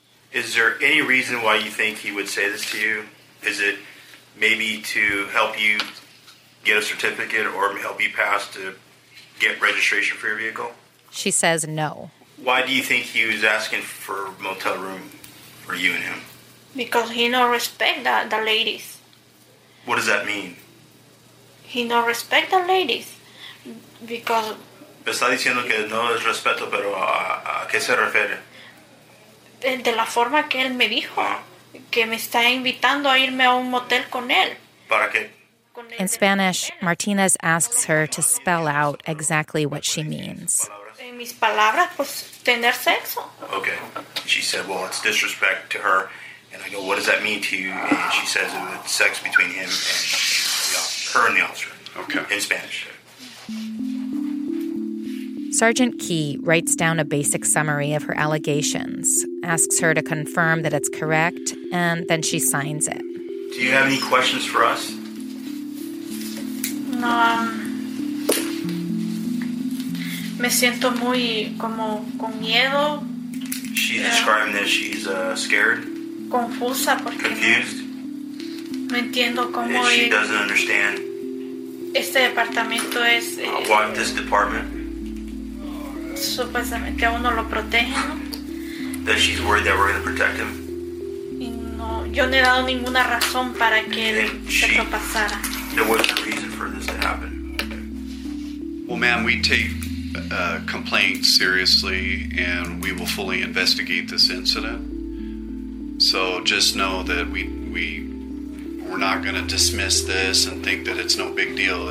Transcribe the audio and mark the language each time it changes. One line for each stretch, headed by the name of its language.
English: Is there any reason why you think he would say this to you? Is it maybe to help you get a certificate or help you pass to get registration for your vehicle? She says no. Why do you think he was asking for a motel room for you and him? Because he no respect the ladies. What does that mean? He no respect the ladies. Because...
Spanish: Me está diciendo que no es respeto, pero ¿a qué se refiere? De la forma que él me dijo. Uh-huh. Que me está invitando a irme a un motel con él. ¿Para qué?
English: In Spanish, Martinez asks her to spell out exactly what she means.
Spanish: En mis palabras, pues, tener sexo.
English: Okay. She said, well, it's disrespect to her. And I go, what does that mean to you? And she says it's sex between him and her and the officer. Okay. In Spanish. Sergeant Key writes down a basic summary of her allegations, asks her to confirm that it's correct, and then she signs it. Do you have any questions for us? No.
Spanish: Me siento muy como con miedo.
English: She's describing that she's scared.
Spanish: Confusa porque
English: confused.
Spanish: No entiendo cómo.
English: She doesn't understand.
Spanish: Este departamento es...
English: why this department?
Spanish: Supuestamente a uno lo protege, ¿no?
English: That she's worried that we're going to protect him.
Spanish: Y no, yo no he dado ninguna razón para que esto pasara.
English: There was no reason for this to happen. Well, ma'am, we take a complaint seriously, and we will fully investigate this incident. So just know that we're not going to dismiss this and think that it's no big deal.